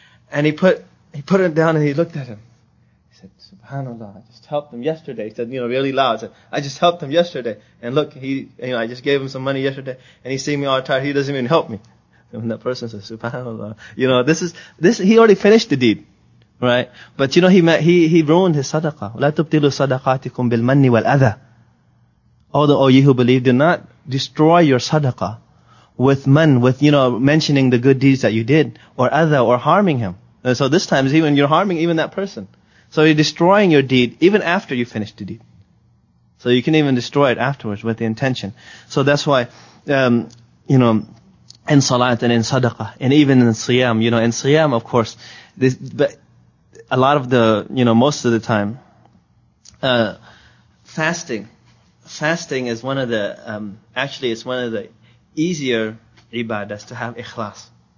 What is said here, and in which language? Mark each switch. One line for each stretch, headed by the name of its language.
English: And he put it down and he looked at him. He said, SubhanAllah, I just helped him yesterday. He said, you know, really loud. He said, I just helped him yesterday. And look, I just gave him some money yesterday. And he's seeing me all tired. He doesn't even help me. And that person says, SubhanAllah. You know, this is, he already finished the deed. Right? But you know, he ruined his sadaqah.
Arabic: لا تبطلوا صدقاتكم بالمن والأذى.
English: Although, all you who believe, do not destroy your sadaqah with man, with, you know, mentioning the good deeds that you did, or other, or harming him. And so this time, even you're harming even that person. So you're destroying your deed even after you finish the deed. So you can even destroy it afterwards with the intention. So that's why, you know, in salat and in sadaqah, and even in siyam, you know, in siyam, of course, this, but a lot of the, you know, most of the time, fasting is one of the, actually it's one of the easier ibadahs to have ikhlas.